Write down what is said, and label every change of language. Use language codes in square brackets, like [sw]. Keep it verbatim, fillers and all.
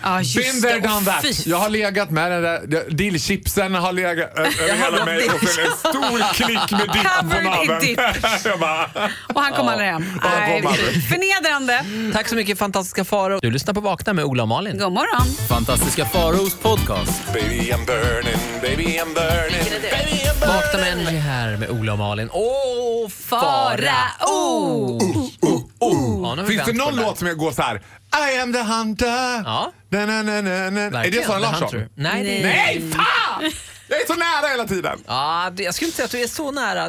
[en] Ah, Been there, done that. [sv] Oh, jag har legat med den där dillchipsen, har legat över hela mig och sen en stor klick med dipp på naven. Och han kom aldrig hem. Förnedrande. Tack så mycket, fantastiskt. Fantastiska Faro. Du lyssnar på Vakna med Ola och Malin. God morgon. Fantastiska Faros podcast. [en] Baby I'm burning, baby I'm burning, baby I'm burning. [sv] Vakna med Energy här med Ola och Malin. Åh, oh, Farao! Oh. Oh, oh, oh. Ja, finns det någon låt som jag går så här? [en] I am the hunter. [sv] Ja. Na, na, na, na, na. Är det Sara Larsson? Nej, det är... Nej, fan! Jag är så nära hela tiden. Ja, jag skulle inte säga att du är så nära.